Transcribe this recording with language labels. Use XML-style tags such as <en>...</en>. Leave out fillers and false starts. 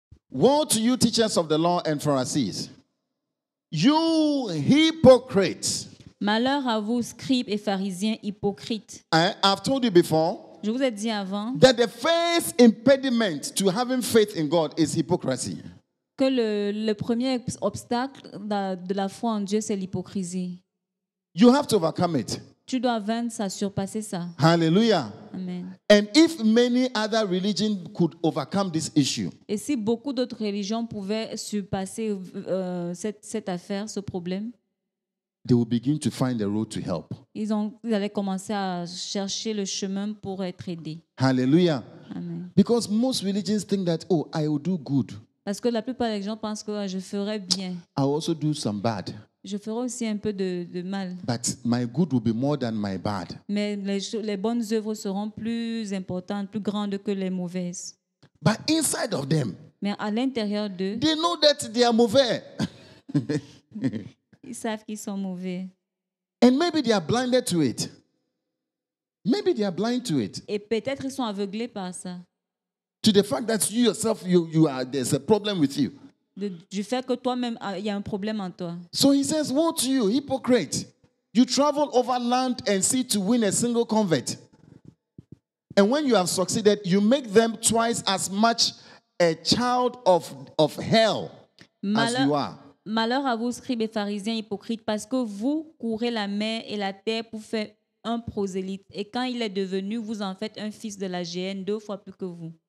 <en>Woe to you, teachers of the law and Pharisees, you hypocrites!</en> <fr>Malheur à vous, scribes et pharisiens hypocrites.</fr> <en>I've told you before.</en> <fr>Je vous ai dit avant</fr> <en>that the first impediment to having faith in God is hypocrisy.</en> <fr>Que le premier obstacle de la foi en Dieu, c'est l'hypocrisie.</fr> <en>You have to overcome it.</en> <fr>Tu dois vaincre ça, surpasser ça.</fr> <en>Hallelujah. Amen. And if many other religions could overcome this issue.</en> <fr>Et si beaucoup d'autres religions pouvaient surpasser cette affaire, ce problème?</fr> <en>They will begin to find the road to help.</en> <fr>Ils allaient commencer à chercher le chemin pour être aidés.</fr> <en>Hallelujah. Amen. Because most religions think that, oh, I will do good.</en> <fr>Parce que la plupart des gens pensent que je ferai bien.</fr> <en>I will also do some bad.</en> <fr>Je ferai aussi un peu de mal.</fr> <en>But my good will be more than my bad.</en> <fr>Mais les bonnes œuvres seront plus importantes, plus grandes que les mauvaises.</fr> <en>But inside of them,</en> <fr>mais à l'intérieur d'eux,</fr> <en>they know that they are mauvais.</en> <fr>Ils savent qu'ils sont mauvais.</fr> <en>And maybe they are blinded to it. Maybe they are blind to it.</en> <fr>Et peut-être ils sont aveuglés par ça.</fr> <en>To the fact that you yourself, you are, there's a problem with you.</en> <fr>Du fait que toi-même, il y a un problème en toi.</fr> <en>So he says, woe to you, hypocrite. You travel over land and sea to win a single convert. And when you have succeeded, you make them twice as much a child of hell as you are.</en> <fr>Malheur à vous, scribes et pharisiens hypocrites, parce que vous courez la mer et la terre pour faire un prosélyte. Et quand il est devenu, vous en faites un fils de la géhenne deux fois plus que vous.</fr>